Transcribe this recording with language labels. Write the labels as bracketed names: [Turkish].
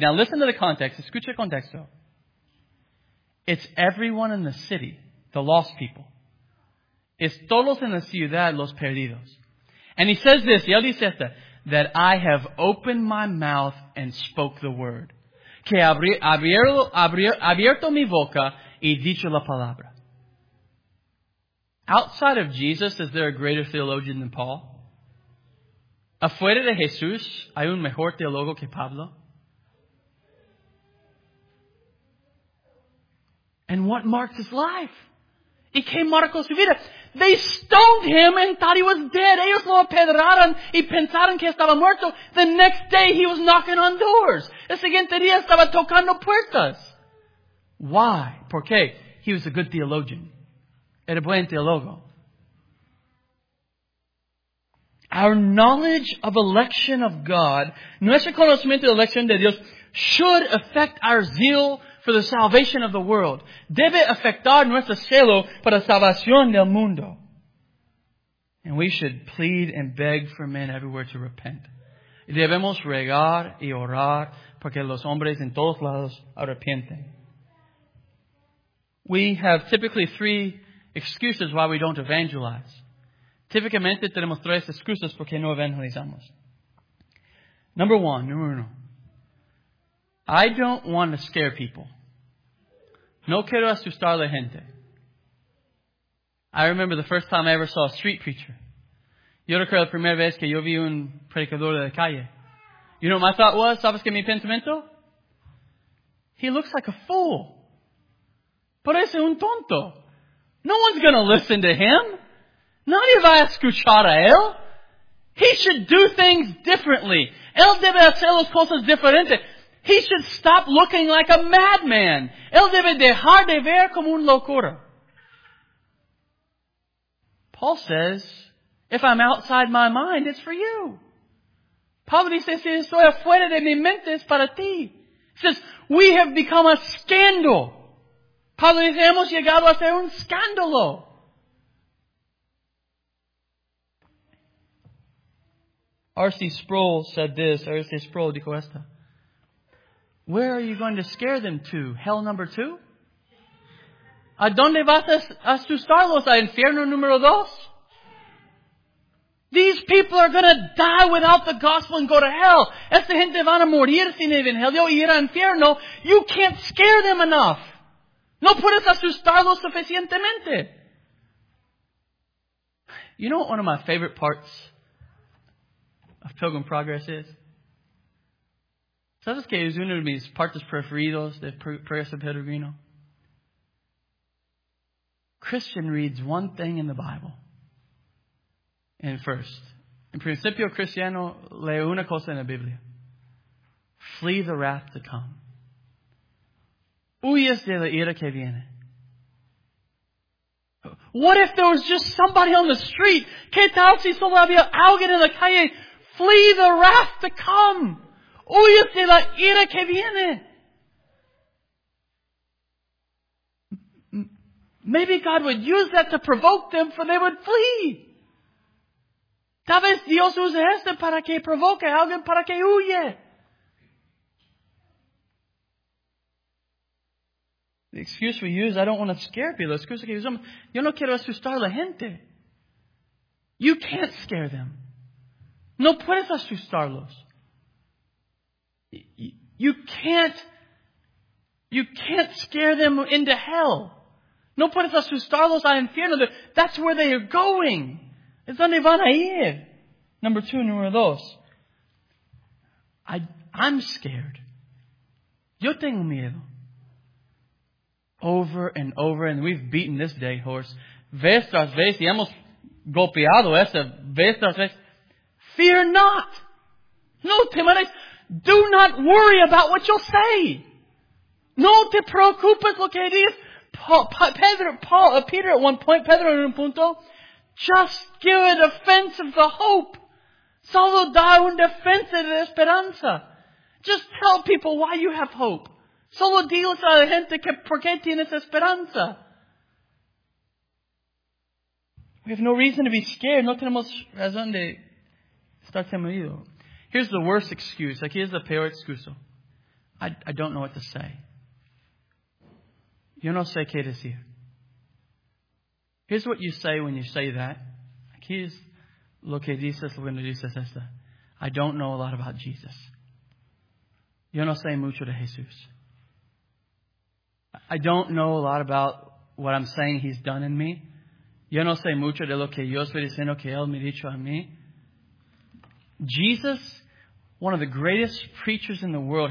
[English] Now listen to the context. [Spanish] Escucha el contexto. [English] It's everyone in the city, the lost people. [Spanish] Es todos en la ciudad, los perdidos. [English] And he says this, [Spanish] y él dice esta, [English] that I have opened my mouth and spoke the word. [Spanish] Que abierto mi boca y dicho la palabra. [English] Outside of Jesus, is there a greater theologian than Paul? [Spanish] Afuera de Jesús, hay un mejor teólogo que Pablo? [English] And what marked his life? [Spanish] ¿Y qué marcó su vida? [English] They stoned him and thought he was dead. [Spanish] Ellos lo apedraron y pensaron que estaba muerto. [English] The next day he was knocking on doors. [Spanish] El siguiente día estaba tocando puertas. [English] Why? [Spanish] ¿Por qué? [English] He was a good theologian. [Spanish] Era buen teólogo. [English] Our knowledge of election of God, [Spanish] nuestro conocimiento de elección de Dios, [English] should affect our zeal for the salvation of the world. [Spanish] Debe afectar nuestro celo para salvación del mundo. [English] And we should plead and beg for men everywhere to repent. [Spanish] Debemos rogar y orar porque los hombres en todos lados arrepienten. [English] We have typically three excuses why we don't evangelize. [Spanish] Típicamente tenemos tres excusas porque no evangelizamos. Número uno. [English] I don't want to scare people. [Spanish] No quiero asustar a la gente. [English] I remember the first time I ever saw a street preacher. [Spanish] Yo recuerdo la primera vez que yo vi un predicador de la calle. [English] You know what my thought was? [Spanish] ¿Sabes qué mi pensamiento? [English] He looks like a fool. [Spanish] Parece un tonto. [English] No one's going to listen to him. [Spanish] Nadie va a escuchar a él. [English] He should do things differently. [Spanish] Él debe hacer las cosas diferentes. [English] He should stop looking like a madman. [Spanish] Él debe dejar de ver como un locura. [English] Paul says, if I'm outside my mind, it's for you. [Spanish] Pablo dice, si estoy afuera de mi mente, es para ti. [English] He says, we have become a scandal. [Spanish] Pablo dice, hemos llegado a ser un escándalo. [English] R.C. Sproul said this. [Spanish] R.C. Sproul dijo esta. [English] Where are you going to scare them to? Hell number two? [Spanish] ¿A dónde vas a asustarlos? ¿A infierno número dos? [English] These people are going to die without the gospel and go to hell. [Spanish] Esta gente van a morir sin evangelio y ir a infierno. [English] You can't scare them enough. [Spanish] No puedes asustarlos suficientemente. [English] You know what one of my favorite parts of Pilgrim Progress is? [Spanish] ¿Sabes que es uno de mis partes preferidos de Progreso Peregrino? [English] Christian reads one thing in the Bible. And first, [Spanish] en principio cristiano lee una cosa en la Biblia. [English] Flee the wrath to come. [Spanish] Huyes de la ira que viene. [English] What if there was just somebody on the street? [Spanish] ¿Qué tal si solo había alguien en la calle? [English] Flee the wrath to come. [Spanish] Huyes de la ira que viene. [English] Maybe God would use that to provoke them for they would flee. [Spanish] Tal vez Dios use esto para que provoque a alguien para que huye. [English] The excuse we use, I don't want to scare people. The excuse we use, [Spanish] yo no quiero asustar a la gente. [English] You can't scare them. No puedes asustarlos. You can't scare them into hell. [Spanish] No puedes asustarlos al infierno. [English] That's where they are going. [Spanish] Es donde van a ir. [English] Number two, [Spanish] número dos. [English] I'm scared. [Spanish] Yo tengo miedo. [English] Over and over, and we've beaten this day, horse. [Spanish] Vez tras vez, y hemos golpeado esa vez tras vez. [English] Fear not. [Spanish] No temores. [English] Do not worry about what you'll say. [Spanish] No te preocupes lo que dices. Pedro en un punto, [English] just give a defense of the hope. [Spanish] Solo da un defensa de esperanza. [English] Just tell people why you have hope. [Spanish] Solo diles a la gente que por qué tienes esperanza. [English] We have no reason to be scared. [Spanish] No tenemos razón de estar temido. [English] Here's the worst excuse. [Spanish] Aquí es la peor excusa. [English] I don't know what to say. [Spanish] Yo no sé qué decir. [English] Here's what you say when you say that. [Spanish] Aquí es lo que dices cuando dices esto. [English] I don't know a lot about Jesus. [Spanish] Yo no sé mucho de Jesús. [English] I don't know a lot about what I'm saying he's done in me. [Spanish] Yo no sé mucho de lo que yo estoy diciendo que él me ha dicho a mí. [English] Jesus, one of the greatest preachers in the world.